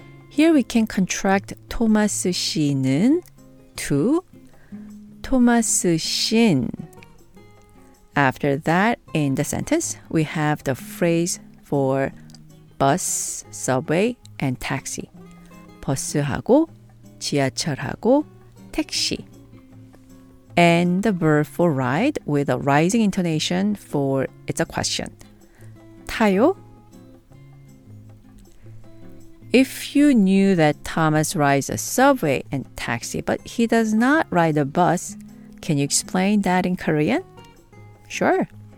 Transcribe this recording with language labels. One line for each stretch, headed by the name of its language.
English: Here we can contract 토마스 씨는 to 토마스 신. After that, in the sentence, we have the phrase for bus, subway, and taxi.
Korean: 버스하고 지하철하고 택시.
English: And the verb for ride with a rising intonation for it's a question.
Korean: 타요?
English: If you knew that Thomas rides a subway and taxi, but he does not ride a bus, can you explain that in Korean? Sure.